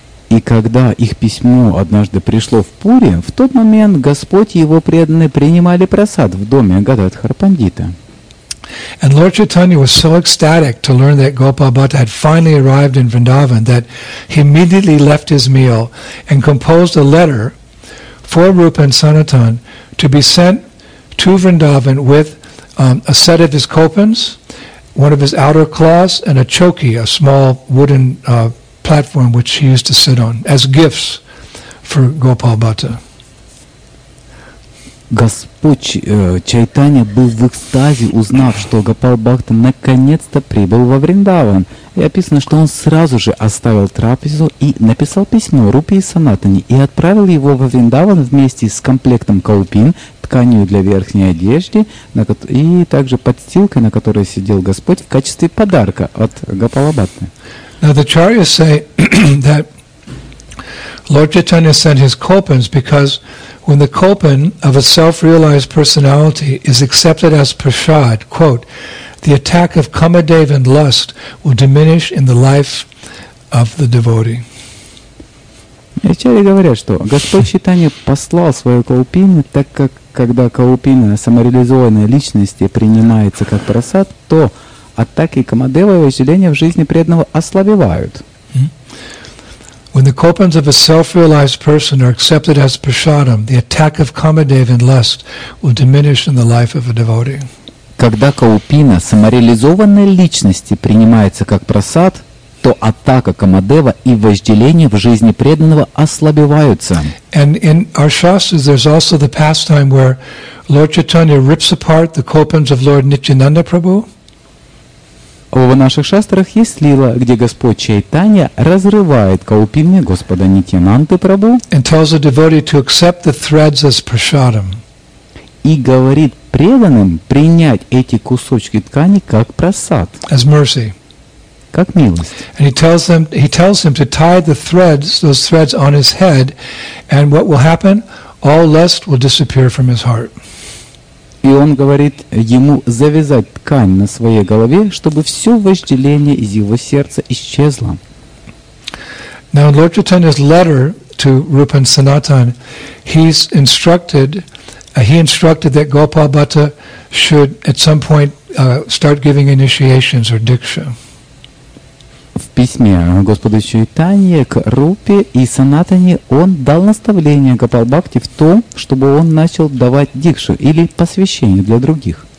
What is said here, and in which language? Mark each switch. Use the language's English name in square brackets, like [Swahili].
[Russian] И когда их письмо однажды пришло в Пури, в тот момент Господь и его преданные принимали прасад в доме Гададхара Пандита. [English] And Lord Chaitanya was so ecstatic to learn that Gopal Bhatta had finally arrived in Vrindavan that he immediately left his meal and composed a letter for Rupa and Sanatana to be sent to Vrindavan with a set of his kopans, one of his outer cloths, and a chokhi, a small wooden platform which he used to sit on as gifts for Gopal Bhatta. [Russian] Господь Чайтанья был в экстазе, узнав, что Гопал Бхатта наконец-то прибыл во Вриндаван. И описано, что он сразу же оставил трапезу и написал письмо Рупе и Санатане и отправил его во Вриндаван вместе с комплектом каупин, тканью для верхней одежды и также подстилкой, на которой сидел Господь в качестве подарка от Гопала Бхатты. [English] Now the Acharyas say that Lord Chaitanya sent his kopans because when the kopan of a self-realized personality is accepted as prasad, quote, the attack of kamadev and lust will diminish in the life of the devotee. [Russian] Acharya говорят, что Господь Чайтанья послал свою каупину, так как когда каупина самореализованной личности принимается как прасад, то атаки камадева и вожделения в жизни преданного ослабевают. [English] When the kopans of a self-realized person are accepted as prasadam, the attack of kamadev and lust will diminish in the life of a devotee. [Russian] Когда каупина самореализованной личности принимается как прасад, то атака камадева и вожделения в жизни преданного ослабеваются. [English] And in our shastras, there's also the pastime where Lord Chaitanya rips apart the kopans of Lord Nityananda Prabhu. [Russian] В наших шастрах есть лила, где Господь Чайтанья разрывает каупины Господа Нитьянанды Прабху [English] and tells the devotee to accept the threads as prasadam. [Russian] И говорит преданным принять эти кусочки ткани как прасад. [English] As mercy. [Russian] Как милость. [English] And he tells him to tie the threads, those threads on his head, and what will happen? All lust will disappear from his heart. [Russian] И он говорит ему завязать ткань на своей голове, чтобы все вожделение из его сердца исчезло. [English] Now in Lord Chaitanya's letter to Rupa and Sanatana, he's instructed he instructed that Gopal Bhatta should at some point start giving initiations or diksha. [Russian] В письме Господу Чайтанье к Рупе и Санатане он дал наставление Гопал Бхакти в том, чтобы он начал давать дикшу или посвящение для других.